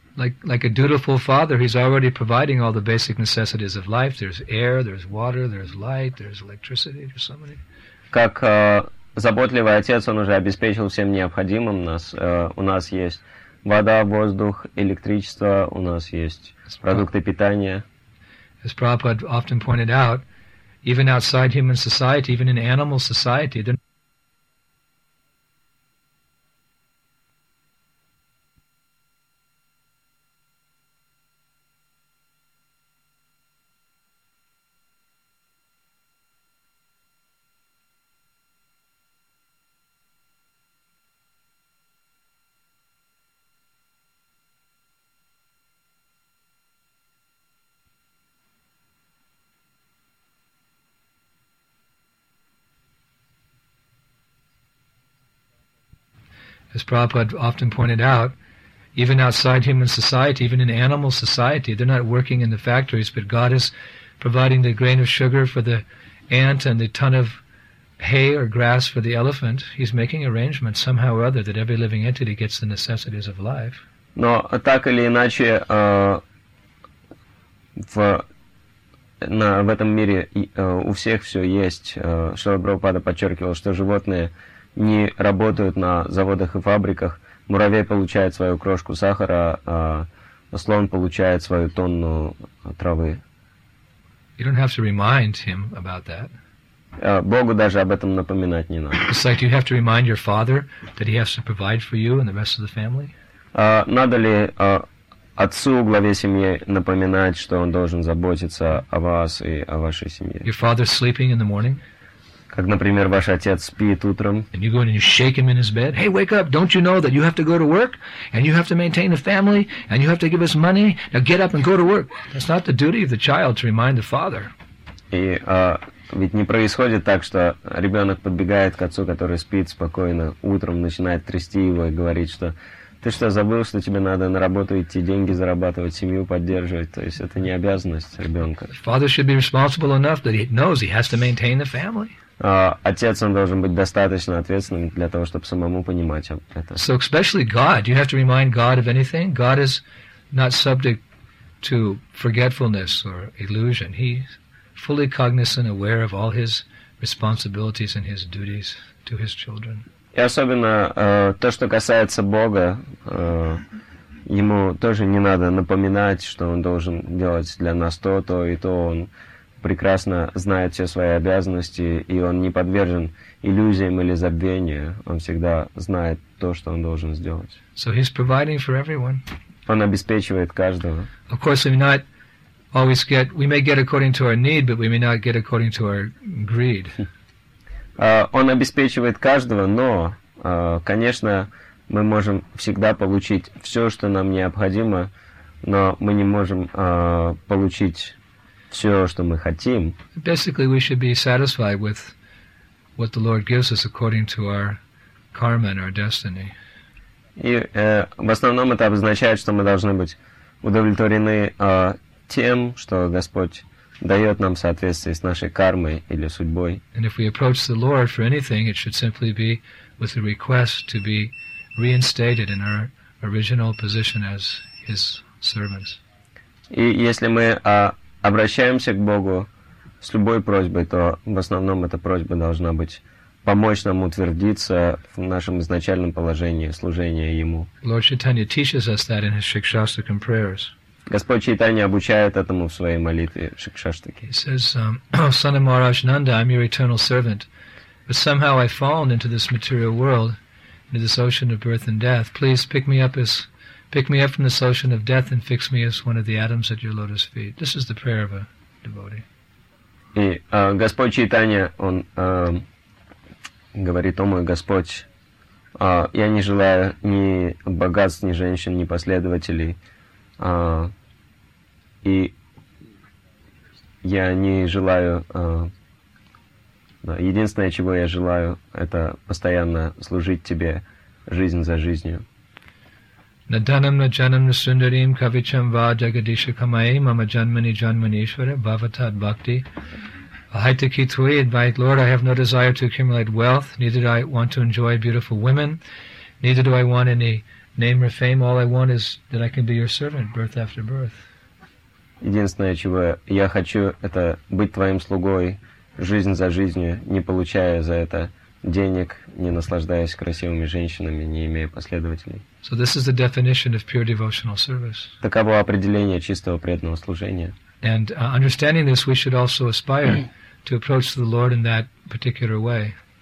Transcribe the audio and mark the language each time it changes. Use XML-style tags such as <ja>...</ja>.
<en>Like a dutiful father, he's already providing all the basic necessities of life. There's air, there's water, there's light, there's electricity, there's so many.</en> <ru>Как заботливый отец, он уже обеспечил всем необходимым нас. У нас есть вода, воздух, электричество, у нас есть продукты питания.</ru> <en>As Prabhupada often pointed out, even outside human society, even in animal society, they're As Prabhupada often pointed out, even outside human society, even in animal society, they're not working in the factories, but God is providing the grain of sugar for the ant and the ton of hay or grass for the elephant. He's making arrangements somehow or other that every living entity gets the necessities of life.</en> <ru>Но так или иначе, в этом мире у всех все есть. Шрила Прабхупада подчеркивал, что животные не работают на заводах и фабриках. Муравей получает свою крошку сахара, а слон получает свою тонну травы.</ru> <en>You don't have to remind him about that.</en> <ru>Богу даже об этом напоминать не надо.</ru> <en>It's like you have to remind your father that he has to provide for you and the rest of the family.</en> <ru>Надо ли отцу, главе семьи, напоминать, что он должен заботиться о вас и о вашей семье?</ru> <en>Your father's sleeping in the morning.</en> <ru>Как, например, ваш отец спит утром.</ru> <en>And you go in and you shake him in his bed. Hey, wake up! Don't you know that you have to go to work, and you have to maintain the family, and you have to give us money? Now get up and go to work. That's not the duty of the child to remind the father.</en> <ru>И ведь не происходит так, что ребенок подбегает к отцу, который спит спокойно утром, начинает трясти его и говорить, что ты что, забыл, что тебе надо на работу идти, деньги зарабатывать, семью поддерживать? То есть это не обязанность ребенка.</ru> <en>Father should be responsible enough that he knows he has to maintain the family.</en> <ru>Отец, он должен быть достаточно ответственным для того, чтобы самому понимать это.</ru> <en>So especially God, you have to remind God of anything. God is not subject to forgetfulness or illusion. He's fully cognizant, aware of all his responsibilities and his duties to his children.</en> <ru>И особенно то, что касается Бога, ему тоже не надо напоминать, что он должен делать для нас то, то и то. Он прекрасно знает все свои обязанности, и он не подвержен иллюзиям или забвению. Он всегда знает то, что он должен сделать.</ru> <en>So he's providing for everyone.</en> <ru>Он обеспечивает каждого.</ru> <en>Of course, we may not always get, we may get according to our need, but we may not get according to our greed.</en> <ru>Он обеспечивает каждого, но, конечно, мы можем всегда получить все, что нам необходимо, но мы не можем получить все, что мы хотим.</ru> <en>Basically, we should be satisfied with what the Lord gives us according to our karma and our destiny.</en> <ru>И в основном это обозначает, что мы должны быть удовлетворены тем, что Господь дает нам в соответствии с нашей кармой или судьбой.</ru> <en>And if we approach the Lord for anything, it should simply be with a request to be reinstated in our original position as His servants.</en> <ru>И если мы обращаемся к Богу с любой просьбой, то в основном эта просьба должна быть помочь нам утвердиться в нашем изначальном положении служения Ему.</ru> <en>Lord Chaitanya teaches us that in his Shikshastakam prayers.</en> <ru>Господь Чайтанья обучает этому в своей молитве Шикшаштаке.</ru> <en>He says, son of Maharaj Nanda, I'm your eternal servant, but somehow I've fallen into this material world, into this ocean of birth and death. Please pick me up as pick me up from this ocean of death and fix me as one of the atoms at your lotus feet. This is the prayer of a devotee.</en> <ru>И Господь Чайтанья, Он говорит: «О мой Господь, я не желаю ни богатств, ни женщин, ни последователей, и я не желаю... Единственное, чего я желаю, это постоянно служить Тебе жизнь за жизнью».</ru> <sa>Наданам наджанам насундарим кавичам ва джагадиша камай мама джанмани джанманишвара бхаватат бхакти. Ahaitaki Thuy advait,</sa> <en>Lord, I have no desire to accumulate wealth, neither do I want to enjoy beautiful women, neither do I want any name or fame. All I want is that I can be your servant, birth after birth.</en> <ru>Единственное, чего я хочу, это быть Твоим слугой, жизнь за жизнью, не получая за это денег, не наслаждаясь красивыми женщинами, не имея последователей.</ru> <en>So this is the definition of pure devotional service.</en> <ru>Таково определение чистого преданного служения.</ru> <en>And understanding this, we should also aspire to approach the Lord in that particular way.</en>